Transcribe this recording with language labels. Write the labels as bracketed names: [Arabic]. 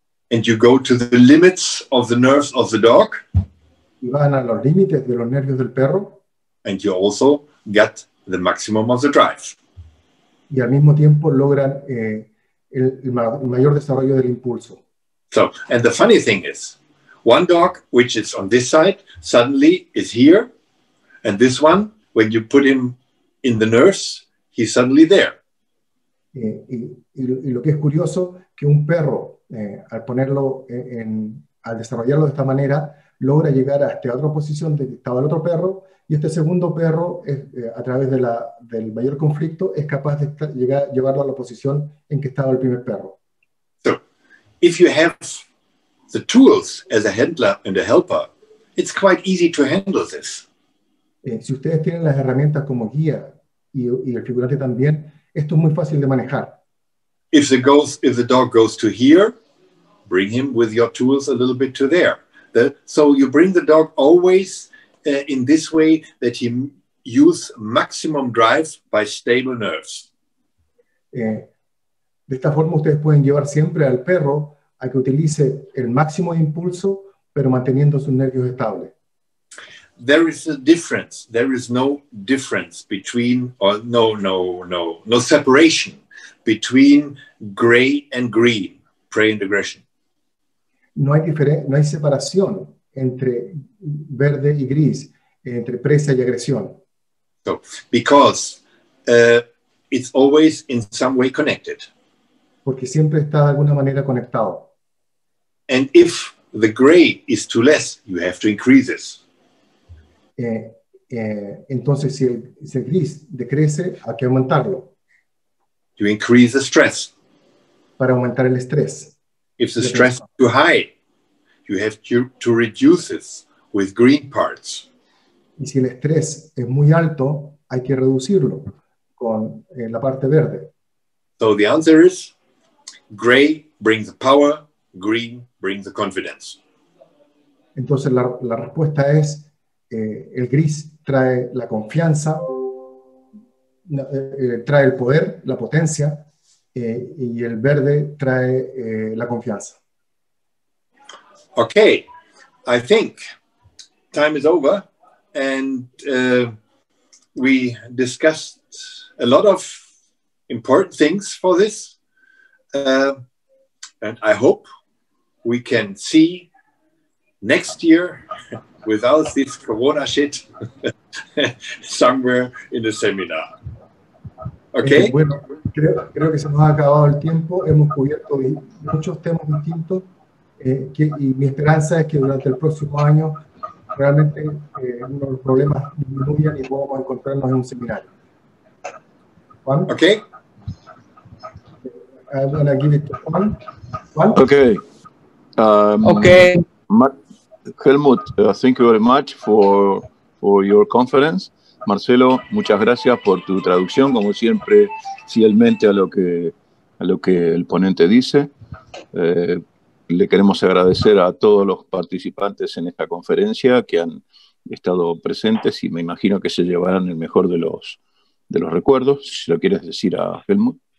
[English] And you go to the limits of the nerves of the dog. [Spanish] Y van a los límites de los nervios del perro. [English] And you also get the maximum of the drive. [Spanish] Y al mismo tiempo logran el mayor desarrollo del impulso. [English] So, and the funny thing is, one dog which is on this side suddenly is here, and this one, when you put him in the nurse, he's suddenly there. [Spanish] Y lo que es curioso que un perro al ponerlo al desarrollarlo de esta manera logra llegar a esta otra posición donde estaba el otro perro, y este segundo perro a través de del mayor conflicto es capaz de llevarlo a la posición en que estaba el primer perro. [English] So, if you have the tools as a handler and a helper, it's quite easy to handle this. [Spanish] Si ustedes tienen las herramientas como guía y el figurante también, esto es muy fácil de manejar. [English] If the dog goes to here, bring him with your tools a little bit to there. So you bring the dog always in this way that he use maximum drive by stable nerves. [Spanish] De esta forma ustedes pueden llevar siempre al perro a que utilice el máximo impulso, pero manteniendo sus nervios estables. [English] There is a difference. There is no difference between, or no separation between gray and green, prey and aggression. [Spanish] No hay separación entre verde y gris, entre presa y agresión. [English] So, because it's always in some way connected. [Spanish] Porque siempre está de alguna manera conectado. [English] And if the gray is too less, you have to increase this. [Spanish] Entonces si el gris decrece, hay que aumentarlo. [English] You increase the stress. [Spanish] Para aumentar el estrés. [English] If the stress is too high, you have to reduce this with green parts. [Spanish] Y si el estrés es muy alto, hay que reducirlo con la parte verde. [English] So the answer is, gray brings power, green brings the confidence. [Spanish] Entonces la respuesta es, el gris trae la confianza, trae el poder, la potencia, y el verde trae la confianza. [English] Okay, I think time is over, and we discussed a lot of important things for this, and I hope we can see next year without this corona shit somewhere in the seminar. Okay? [Spanish] Bueno, creo que se nos ha acabado el tiempo, hemos cubierto muchos temas distintos. Y mi esperanza es que durante el próximo año realmente uno de los problemas disminuyan y podamos encontrarnos en un seminario. [English] Juan. Okay. I'm gonna give it to Juan. Juan. Okay. Okay. Helmut, thank you very much for your conference. [Spanish] Marcelo, muchas gracias por tu traducción, como siempre, fielmente a lo que a lo que el ponente dice. Le queremos agradecer a todos los participantes en esta conferencia que han estado presentes y me imagino que se llevarán el mejor de los recuerdos, si lo quieres decir a Helmut.